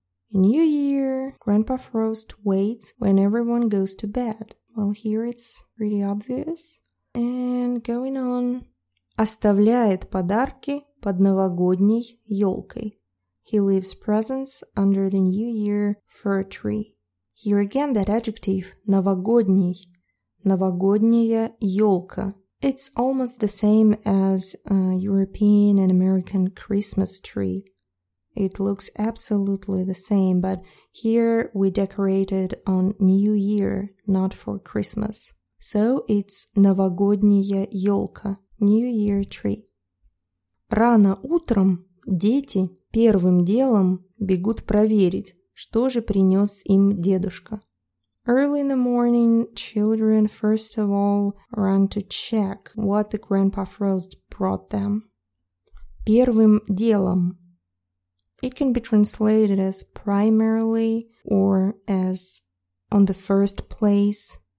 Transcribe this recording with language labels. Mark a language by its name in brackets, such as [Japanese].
[English] New Year, Grandpa Frost waits when everyone goes to bed. Well, here it's pretty obvious. And going on. [Russian] Оставляет подарки под новогодней елкой. [English] He leaves presents under the New Year fir tree. Here again that adjective, [Russian] новогодний. Новогодняя елка. [English] It's almost the same as a European and American Christmas tree. It looks absolutely the same, but here we decorate it on New Year, not for Christmas. So it's [Russian] новогодняя елка, [English] New Year tree. [Russian] Рано утром дети первым делом бегут проверить, что же принес им дедушка. [English] Early in the morning, children first of all run to check what the Grandpa Frost brought them. [Russian] Первым делом. [English] It can be translated as primarily or as on the first place.